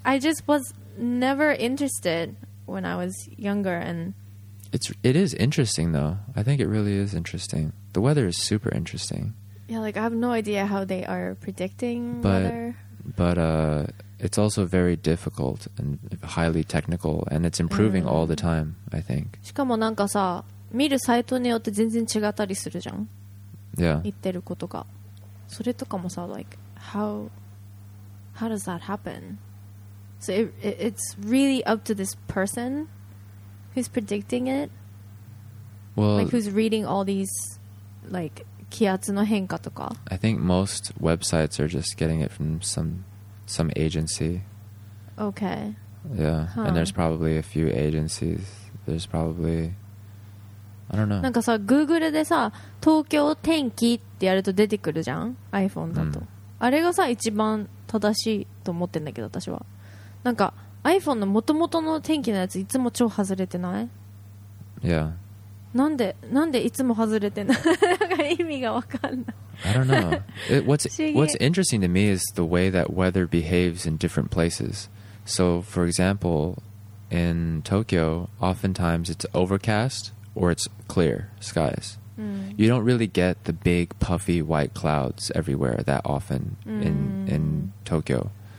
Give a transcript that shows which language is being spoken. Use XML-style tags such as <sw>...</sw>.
<en>I just was never interested when I was younger, and it is interesting though. I think it really is interesting. The weather is super interesting. Yeah, like I have no idea how they are predicting weather. But it's also very difficult and highly technical, and it's improving all the time. I think.</en> <ja>しかもなんかさ、見るサイトによって全然違ったりするじゃん。</ja> <en>Yeah.</en> <ja>言ってることが、それとかもさ、</ja> <en>like how. How does that happen? So it's really up to this person who's predicting it. Well, like who's reading all these like</en> <ja>気圧の変化とか.</ja> <en>I think most websites are just getting it from some agency. Okay. Yeah, huh. And there's probably a few agencies. There's probably I don't know.</en> <ja>なんかさ、Google でさ、東京天気ってやると出てくるじゃん、iPhone だと。あれがさ一番正しいと思ってんだけど私はなんか iPhone の元々の天気のやついつも超外れてない?</ja> <en>Yeah.</en> <ja>なんでいつも外れてんの? 意味がわかんない</ja> <en>I don't know. What's interesting to me is the way that weather behaves in different places. So for example, in Tokyo, oftentimes it's overcast or it's clear skies. You don't really get the big puffy white clouds everywhere that often in Tokyo.</en>